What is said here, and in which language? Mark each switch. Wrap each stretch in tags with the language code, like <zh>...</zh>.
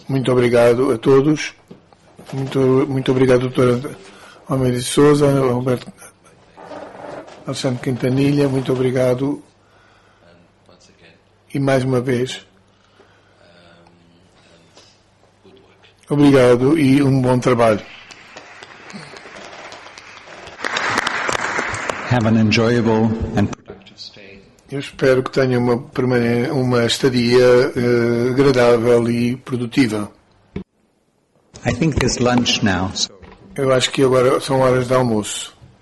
<pt>Muito obrigado a todos. Muito obrigado, doutora Almeida Sousa, Alberto Alexandre Quintanilha. Muito obrigado. E mais uma vez, obrigado e um bom trabalho.</pt> <en>Have an enjoyable and productive stay.</en> <pt>Eu espero que tenha uma estadia agradável e produtiva.</pt> <en>I think it's lunch now.</en> <pt>Eu acho que agora são horas de almoço.</pt>